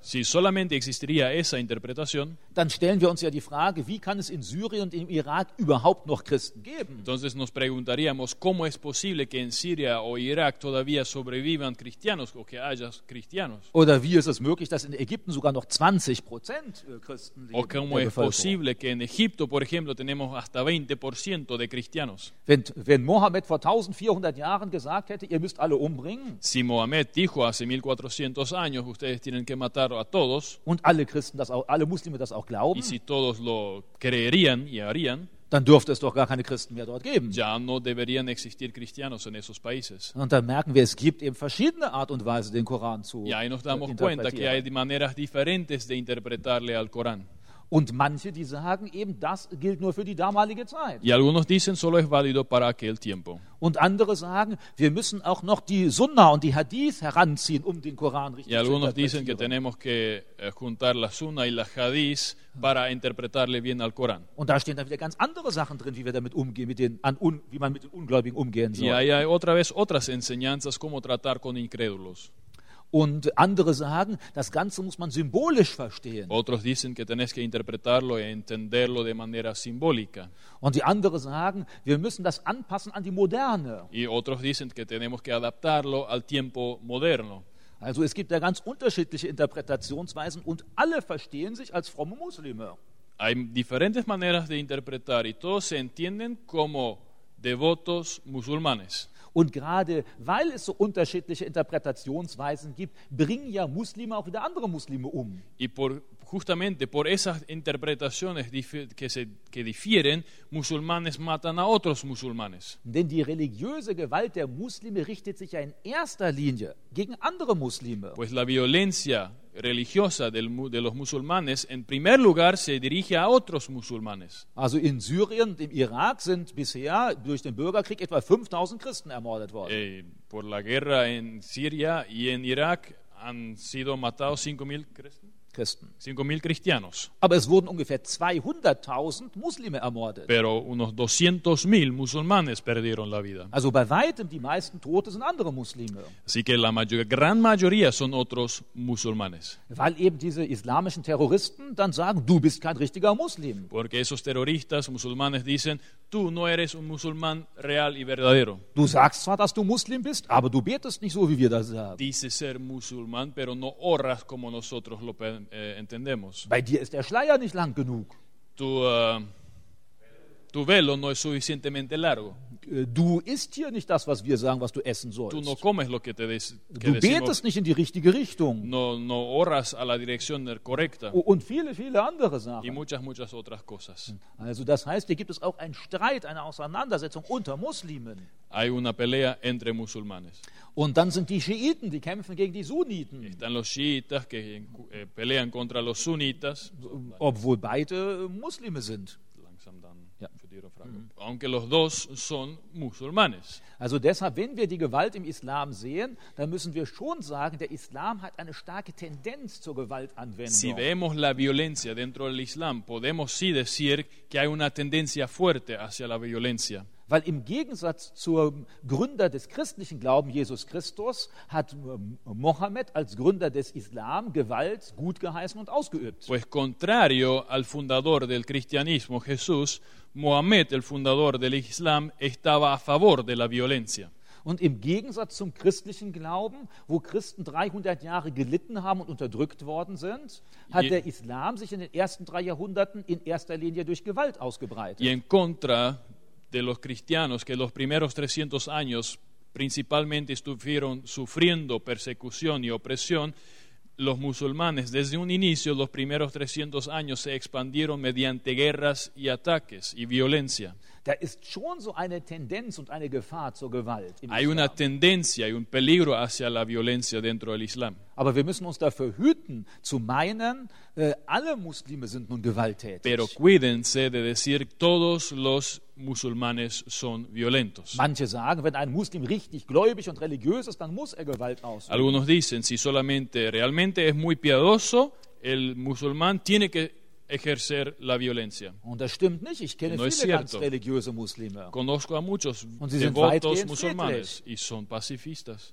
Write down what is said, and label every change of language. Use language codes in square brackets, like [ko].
[es] si solamente existiría esa interpretación, [de] dann stellen wir uns ja die Frage, wie kann es in Syrien und im Irak überhaupt noch Christen geben? [es] Entonces nos preguntaríamos cómo es posible que en Siria o Irak todavía sobrevivan cristianos o que haya cristianos. [de] Oder wie ist es möglich, dass in Ägypten sogar noch 20% Christen leben? [es] O cómo es posible que en Egipto, por ejemplo, tenemos hasta 20% de cristianos. [de] Wenn Mohammed vor 1400 Jahren gesagt hätte, ihr müsst alle umbringen, [es] si Mohammed dijo hace 1400 años, ustedes tienen que matar a todos. [de] Und alle Christen das auch, alle Muslime das auch glauben. [es] Y si todos lo creerían y harían, [de] dann dürfte es doch gar keine Christen mehr dort geben. [es] Ya no deberían existir cristianos en esos países. [de] Und dann merken wir, es gibt eben verschiedene Art und Weise, den Koran zu interpretieren. [es] Ya nos damos cuenta que hay maneras diferentes de interpretarle al Corán. [de] Und manche, die sagen eben, das gilt nur für die damalige Zeit. [es] Y algunos dicen solo es válido para aquel tiempo. [de] Und andere sagen, wir müssen auch noch die Sunna und die Hadith heranziehen, um den Koran richtig zu interpretieren. [es] Y algunos dicen que tenemos que juntar la Sunna y la Hadith para interpretarle bien al Corán. [de] Und da stehen dann wieder ganz andere Sachen drin, wie wir damit umgehen, wie man mit den Ungläubigen umgehen soll. [es] Y hay otra vez otras enseñanzas cómo tratar con incrédulos. [de] Und andere sagen, das Ganze muss man symbolisch verstehen. [es] Otros dicen que tenés que interpretarlo y entenderlo de manera simbólica. [de] Und die anderen sagen, wir müssen das anpassen an die Moderne. [es] Y otros dicen que tenemos que adaptarlo al tiempo moderno. [de] Also es gibt da ganz unterschiedliche Interpretationsweisen und alle verstehen sich als fromme Muslime. [es] Hay diferentes maneras de interpretar y todos se entienden como devotos musulmanes. [de] Und gerade weil es so unterschiedliche Interpretationsweisen gibt, bringen ja Muslime auch wieder andere Muslime um. [es] Y por, justamente por esas interpretaciones que difieren, musulmanes matan a otros musulmanes. [de] Denn die religiöse Gewalt der Muslime richtet sich ja in erster Linie gegen andere Muslime. [es] Pues la violencia religiosa de los musulmanes en primer lugar se dirige a otros musulmanes. [de] Also in Syrien und im Irak sind bisher durch den Bürgerkrieg etwa 5000 Christen ermordet worden. [es] Por la guerra en Siria y en Irak han sido matados 5000 Christen. 5000 cristianos. [de] Aber es wurden ungefähr 200.000 Muslime ermordet. [es] Pero unos 200.000 musulmanes perdieron la vida. [de] Also bei weitem die meisten Tote sind andere Muslime. [es] Así que la gran mayoría son otros musulmanes. [de] Weil eben diese islamischen Terroristen dann sagen, du bist kein richtiger Muslim. [es] Porque esos terroristas musulmanes dicen, tú no eres un musulmán real y verdadero. [de] Du sagst zwar, dass du Muslim bist, aber du betest nicht so, wie wir das sagen. [es] Dices ser musulmán, pero no oras como nosotros lo pedimos. Entendemos. [de] Bei dir ist der Schleier nicht lang genug. [es] Tu velo no es suficientemente largo. [de] Du isst hier nicht das, was wir sagen, was du essen sollst. [es] Tu no comes lo que te des, que [de] du betest [es] decimos, [de] nicht in die richtige Richtung. [es] No oras a la dirección correcta. [de] Und viele, viele andere Sachen. [es] Y muchas otras cosas. [de] Also das heißt, hier gibt es auch einen Streit, eine Auseinandersetzung unter Muslimen. [es] Hay una pelea entre musulmanes. [de] Und dann sind die Schiiten, die kämpfen gegen die Sunniten. [es] Están los chiitas que pelean contra los sunitas. [de] Obwohl beide Muslime sind. Langsam dann. Ja. Für Ihre Frage. [es] Aunque los dos son musulmanes. [de] Also deshalb, wenn wir die Gewalt im Islam sehen, dann müssen wir schon sagen, der Islam hat eine starke Tendenz zur Gewaltanwendung. [es] Si vemos la violencia dentro del Islam, podemos sí decir que hay una tendencia fuerte hacia la violencia. [de] Weil im Gegensatz zum Gründer des christlichen Glaubens, Jesus Christus, hat Mohammed als Gründer des Islam Gewalt gut geheißen und ausgeübt. [es] Pues contrario al fundador del cristianismo, Jesús, Mohammed, el fundador del Islam, estaba a favor de la violencia. [de] Und im Gegensatz zum christlichen Glauben, wo Christen 300 Jahre gelitten haben und unterdrückt worden sind, hat der Islam sich in den ersten 3 Jahrhunderten in erster Linie durch Gewalt ausgebreitet. [es] Y en contra de los cristianos que los primeros 300 años principalmente estuvieron sufriendo persecución y opresión, los musulmanes, desde un inicio, los primeros 300 años se expandieron mediante guerras y ataques y violencia. [de] Da ist schon so eine Tendenz und eine Gefahr zur Gewalt im Islam. [es] Hay una tendencia y un peligro hacia la violencia dentro del Islam. [de] Aber wir müssen uns dafür hüten, zu meinen, alle Muslime sind nun gewalttätig. [es] Pero cuídense de decir todos los musulmanes son violentos. [de] Manche sagen, wenn ein Muslim richtig gläubig und religiös ist, dann muss er Gewalt ausüben. [es] Algunos dicen, si solamente realmente es muy piadoso, el musulmán tiene que ejercer la violencia. [de] Und das stimmt nicht. Ich kenne viele ganz religiöse Muslime. [es] Conozco a muchos devotos musulmanes y son pacifistas.